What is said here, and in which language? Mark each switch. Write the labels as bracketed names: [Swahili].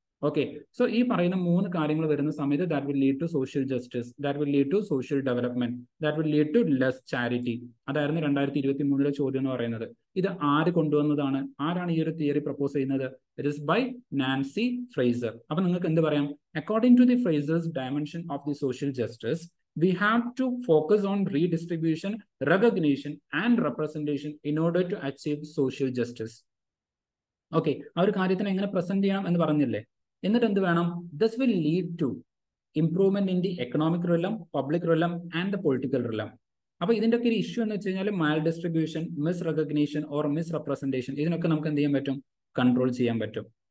[Malayalam] Okay, so ഈ പറയുന്ന മൂന്ന് കാര്യങ്ങൾ വരുന്ന സമയത്ത് [English] That will lead to social justice, that will lead to social development, that will lead to less charity. [Malayalam] അതായിരുന്നു 2023 ചോദ്യം എന്ന് പറയുന്നത്. ഇത് ആര് കൊണ്ടുവന്നതാണ്, ആരാണ് ഈ ഒരു തിയറി പ്രപ്പോസ് ചെയ്യുന്നത്, [English] It is by Nancy Fraser. [Malayalam] അപ്പൊ നിങ്ങൾക്ക് എന്ത് പറയാം, [English] According to the Fraser's dimension of the social justice, we have to focus on redistribution, recognition, and representation in order to achieve social justice. [Malayalam] Okay ആ ഒരു കാര്യത്തിന് എങ്ങനെ present ചെയ്യണം എന്ന് പറഞ്ഞില്ലേ. എന്നിട്ട് എന്ത് വേണം? [English] Thus will lead to improvement in the economic realm, public realm, and the political realm. [Malayalam] അപ്പൊ ഇതിന്റെ ഒക്കെ ഒരു ഇഷ്യൂ എന്ന് വെച്ച് കഴിഞ്ഞാൽ മാൽ distribution, miss recognition or miss representation, ഇതിനൊക്കെ നമുക്ക് എന്ത് ചെയ്യാൻ പറ്റും? കൺട്രോൾ ചെയ്യാൻ പറ്റും.